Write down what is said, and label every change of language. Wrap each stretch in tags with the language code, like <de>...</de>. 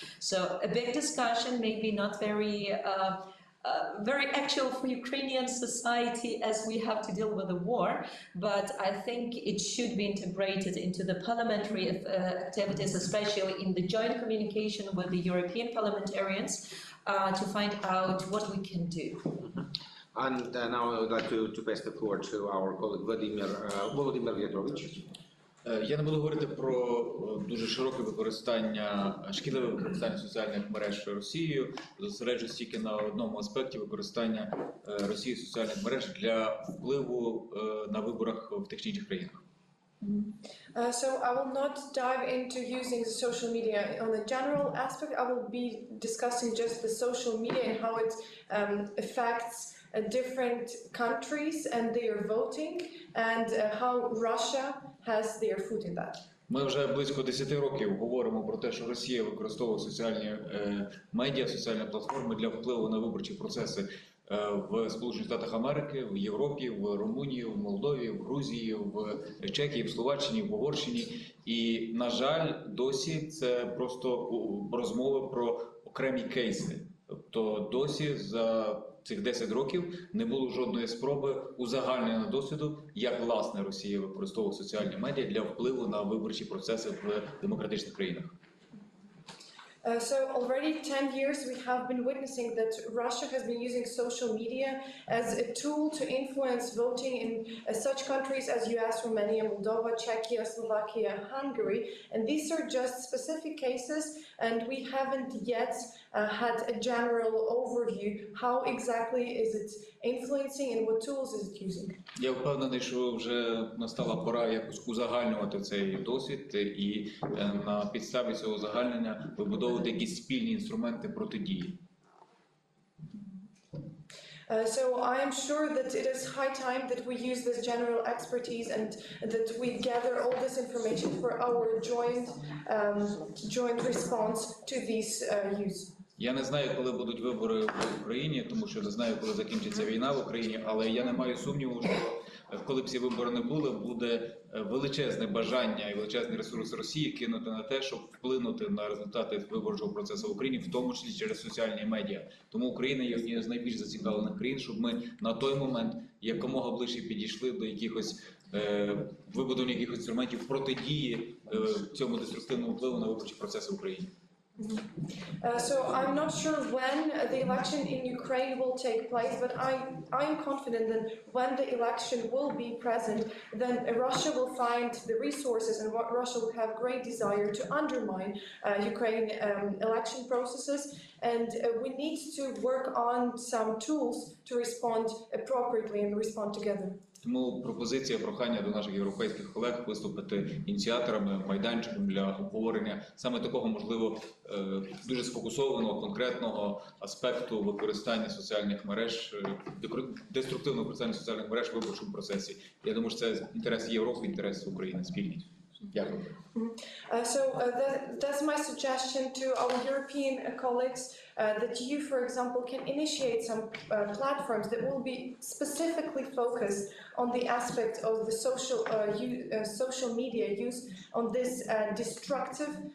<en>So a big discussion, maybe not very very actual for Ukrainian society as we have to deal with the war, but I think it should be integrated into the parliamentary activities, especially in the joint communication with the European parliamentarians, to find out what we can do. And now I would like to pass the floor to our colleague Vladimir Vyatrovich.</en> <uk>Я не буду говорити про дуже широке використання, шкідливе використання соціальних мереж Росією. Зосереджусь тільки на одному аспекті використання Росії соціальних мереж для впливу на виборах в тих чи інших країнах.</uk> <en>So I will not dive into using the social media on the general aspect. I will be discussing just the social media and how it affects different countries and their voting and how Russia has their foot in that.</en> <uk>Ми вже близько 10 років говоримо про те, що Росія використовує соціальні медіа, соціальні платформи для впливу на виборчі процеси в Сполучених Штатах Америки, в Європі, в Румунії, в Молдові, в Грузії, в Чехії, в Словаччині, в Угорщині. І, на жаль, досі це просто розмови про окремі кейси. Тобто досі за цих 10 років не було жодної спроби узагальнення досвіду, як власне Росія використовує соціальні медіа для впливу на виборчі процеси в демократичних країнах.</uk> <en>So already 10 years we have been witnessing that Russia has been using social media as a tool to influence voting in such countries as US, Romania, Moldova, Czechia, Slovakia, Hungary, and these are just specific cases, and we haven't yet had a general overview how exactly is it influencing and what tools is it using.</en> <uk>Я впевнений, що вже настала пора якось узагальнювати цей досвід і на підставі цього узагальнення вибудовувати якісь спільні інструменти протидії.</uk> <en>So I am sure that it is high time that we use this general expertise and that we gather all this information for our joint response to these use.</en> <uk>Я не знаю, коли будуть вибори в Україні, тому що не знаю, коли закінчиться війна в Україні, але я не маю сумніву, що коли б ці вибори не були, буде величезне бажання і величезний ресурс Росії кинути на те, щоб вплинути на результати виборчого процесу в Україні, в тому числі через соціальні медіа. Тому Україна є однією з найбільш зацікавлених країн, щоб ми на той момент якомога ближче підійшли до вибудування якихось інструментів протидії цьому деструктивному впливу на виборчі процеси в Україні.</uk> <en>So I'm not sure when the election in Ukraine will take place, but I am confident that when the election will be present, then Russia will find the resources and Russia will have great desire to undermine Ukraine election processes. And we need to work on some tools to respond appropriately and respond together.</en> <uk>Тому пропозиція, прохання до наших європейських колег виступити ініціаторами, майданчиком для обговорення саме такого, можливо, дуже сфокусованого, конкретного аспекту використання соціальних мереж, деструктивного використання соціальних мереж в виборчому процесі. Я думаю, що це інтерес Європи, інтерес України спільний.</uk> <en>So that's my suggestion to our European colleagues that you, for example, can initiate some platforms that will be specifically focused on the aspect of the social media use on this destructive</en>